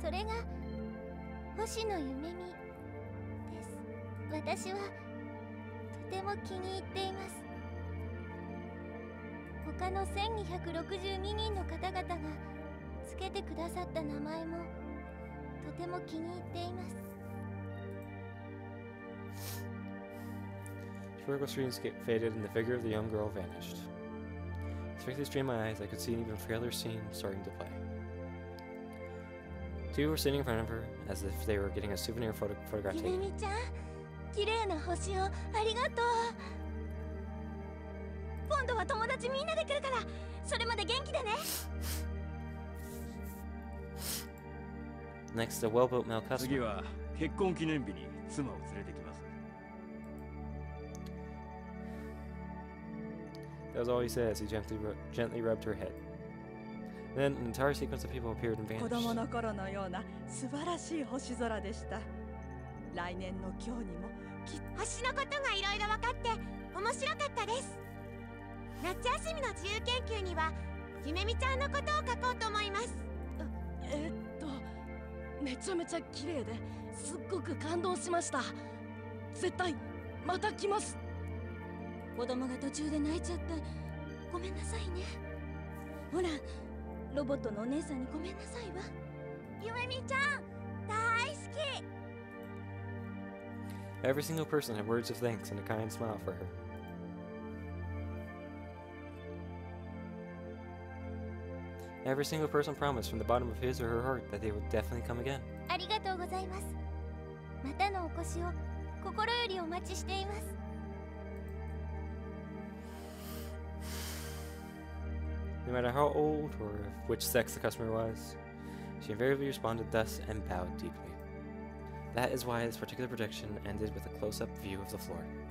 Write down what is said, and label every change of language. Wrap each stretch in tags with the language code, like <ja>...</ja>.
<ja>それが星野夢美です。私はとても気に入っています。他の1262人の方々がつけてくださった名前もとても気に入っています。</ja> <en>Circle screens get faded and the figure of the young girl vanished. Strictly strained my eyes, I could see an even frailer scene starting to play. Two were sitting in front of her, as if they were getting a souvenir photograph taken.</en> <ja>Yumemi-chan, 綺麗な星をありがとう。今度は友達みんなで来るから、それまで元気でね。</ja> <en>Next, a well-built male customer.</en> <ja>次は結婚記念日に妻を連れてきます。</ja> <en>was all he said as he gently rubbed her head. Then an entire sequence of people appeared and vanished.</en> <ja>子供の頃のような素晴らしい星空でした。来年の今日にもきっと星のことがいろいろ分かって面白かったです。夏休みの自由研究には夢美ちゃんのことを書こうと思います。めちゃめちゃ綺麗で、すっごく感動しました。絶対また来ます。子供が途中で泣いちゃってごめんなさいね。ほら、ロボットのお姉さんにごめんなさいわ。夢美ちゃん大好き。</ja> <en>Every single person had words of thanks and a kind smile for her. Every single person promised from the bottom of his or her heart that they would definitely come again.</en> <ja>ありがとうございます。またのお越しを心よりお待ちしています。</ja> <en>No matter how old or of which sex the customer was, she invariably responded thus and bowed deeply. That is why this particular projection ended with a close-up view of the floor.</en>